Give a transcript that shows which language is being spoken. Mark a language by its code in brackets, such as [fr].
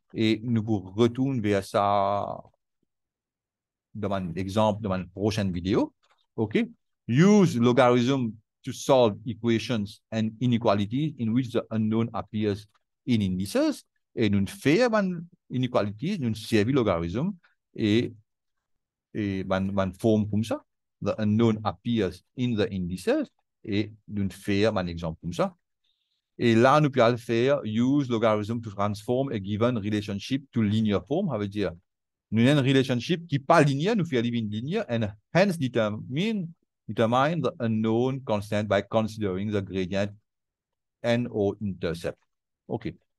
[fr] Et nous vous retournons vers ça dans l'exemple de ma prochaine vidéo. OK. [en] Use logarithm to solve equations and inequalities in which the unknown appears in indices. [fr] Et nous faisons des inequalities, nous servons des logarithmes et une forme comme ça. [en] The unknown appears in the indices [fr] et nous faisons un exemple comme ça. Et là, nous pouvons faire [en] use logarithm to transform a given relationship to linear form. [fr] Ça veut dire, nous avons une relationship qui n'est pas linéaire, nous faisons une linéaire [en] and hence determine the unknown constant by considering the gradient and or intercept. [fr] Okay.